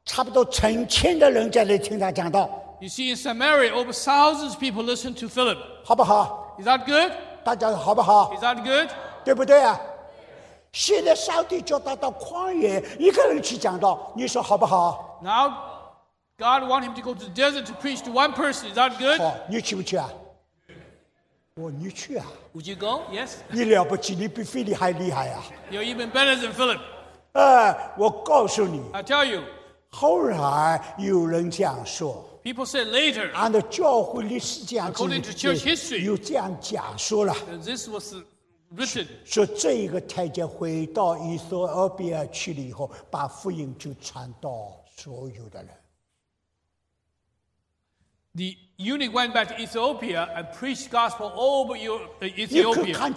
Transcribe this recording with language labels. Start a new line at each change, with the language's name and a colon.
Chinese: 撒玛利亚差不多成千的人在那听他讲道。
English: You see, in Samaria, over thousands of people listened to Philip.
Chinese: 好不好?
English: Is that good?
Chinese: 大家好不好?
English: Is that good?
Chinese: 对不对啊? 现在上帝叫他到旷野一个人去讲道，你说好不好？
English: Now God wants him to go to the desert to preach to one person. Is that good?
Chinese: 好，你去不去啊？我，你去啊？
English: Would you go? Yes.
Chinese: 你了不起，你比菲利还厉害啊！
English: You're even better than Philip.
Chinese: 我告诉你，
English: I tell you.
Chinese: 后来有人这样说，
English: People said later.
Chinese: 按照教会历史这样子，
English: According to church history,
Chinese: 有这样讲说了，
English: This was written.
Chinese: 说这个太监回到以色列去了以后， 把福音就传到所有的人。
English: The eunuch went back to Ethiopia and preached gospel all over Ethiopia.